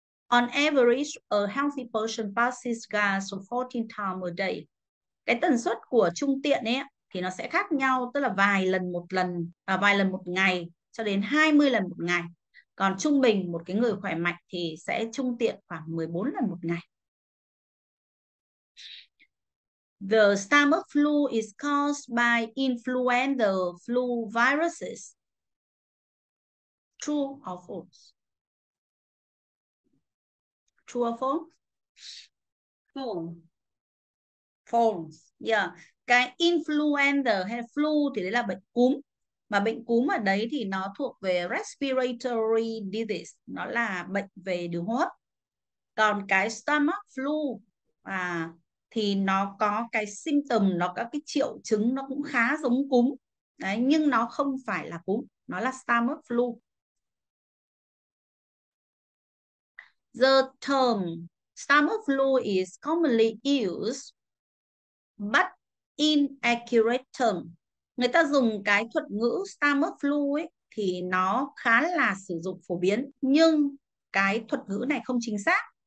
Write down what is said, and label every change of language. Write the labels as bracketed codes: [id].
[en] On average, a healthy person passes gas 14 times a day. [vi] Cái tần suất của trung tiện ấy thì nó sẽ khác nhau, tức là vài lần một lần, vài lần một ngày cho đến 20 lần một ngày. Còn trung bình một cái người khỏe mạnh thì sẽ trung tiện khoảng 14 lần một ngày. [en] The stomach flu is caused by influenza flu viruses. True or false? True or false? False. False. Yeah. [vi] Cái influenza hay flu thì đấy là bệnh cúm. Mà bệnh cúm ở đấy thì nó thuộc về respiratory disease. Nó là bệnh về đường hô hấp. Còn cái stomach flu thì nó có cái symptom, nó có cái triệu chứng nó cũng khá giống cúm. Đấy, nhưng nó không phải là cúm. Nó là stomach flu. [en] The term stomach flu is commonly used, but inaccurate term. [vi] Người ta dùng cái thuật ngữ stomach flu ấy thì nó khá là sử dụng phổ biến, nhưng cái thuật ngữ này không chính xác.